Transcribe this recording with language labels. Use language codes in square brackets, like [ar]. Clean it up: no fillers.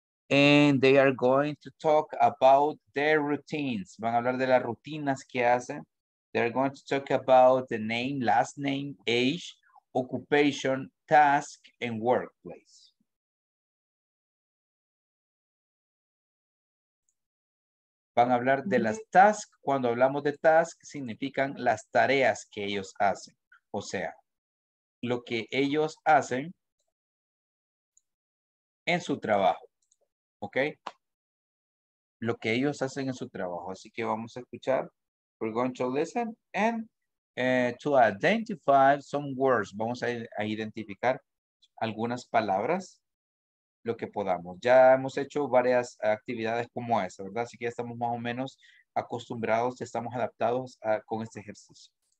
[en] And they are going to talk about their routines. [es] Van a hablar de las rutinas que hacen. [en] They're going to talk about the name, last name, age, occupation, task, and workplace. [es] Van a hablar de las tasks. Cuando hablamos de tasks, significan las tareas que ellos hacen. O sea, lo que ellos hacen en su trabajo. ¿Ok? Lo que ellos hacen en su trabajo. Así que vamos a escuchar. [en] We're going to listen and to identify some words. [es] Vamos a identificar algunas palabras, lo que podamos. Ya hemos hecho varias actividades como esa, ¿verdad? Así que ya estamos más o menos acostumbrados, ya estamos adaptados con este ejercicio.